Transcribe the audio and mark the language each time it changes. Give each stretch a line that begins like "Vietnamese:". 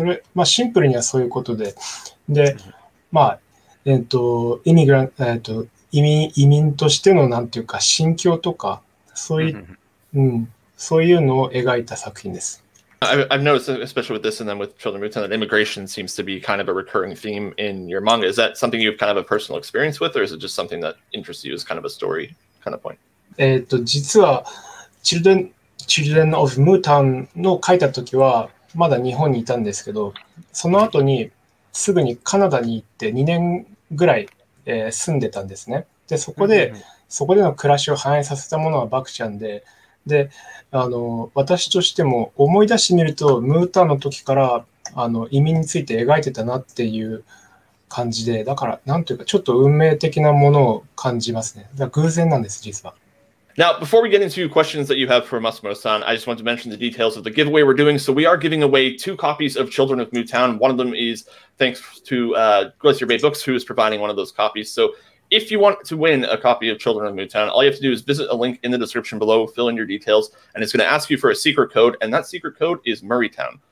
Japanese: それまあシンプルにはそういうことで、でまあイミグラン移民としてのなんていうか心境とかそういう、そういうのを描いた作品です。
English: I've noticed, especially with this and then with Children of Mutown, that immigration seems to be kind of a recurring theme in your manga. Is that something you have kind of a personal experience with, or is it just something that interests you as kind of a story kind of point?
Japanese: 実は Children of Mutown の書いた時はまだ日本にいたんですけど、その後にすぐにカナダに行って2年ぐらい、住んでたんですね。でそこでの暮らしを反映させたものはバクちゃんで、であの私としても思い出してみるとムータンの時からあの移民について描いてたなっていう感じで、だからなんというかちょっと運命的なものを感じますね。だから偶然なんです、実は。
English: Now, before we get into questions that you have for Masumoto-san, I just want to mention the details of the giveaway we're doing. So we are giving away two copies of Children of Mutown. One of them is thanks to Glacier Bay Books, who is providing one of those copies. So if you want to win a copy of Children of Mutown, all you have to do is visit a link in the description below, fill in your details, and it's going to ask you for a secret code, and that secret code is Murraytown.